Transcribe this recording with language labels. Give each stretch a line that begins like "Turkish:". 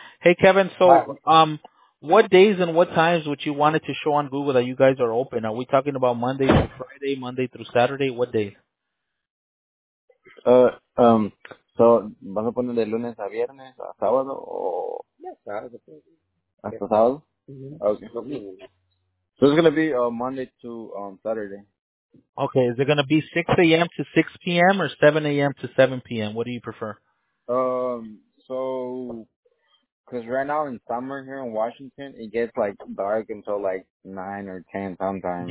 English: Hey, Kevin, what days and what times would you want it to show on Google that you guys are open? Are we talking about Monday through Friday, Monday through Saturday? What days?
Spanish: ¿Vas a poner de lunes a viernes a sábado o hasta sábado?
English: Okay. So it's going to be Monday to Saturday. Okay, is it going to be 6 a.m. to 6 p.m. or 7 a.m. to 7 p.m.? What do you prefer? Because right now in summer here in Washington, it gets like dark until like 9 or 10 sometimes.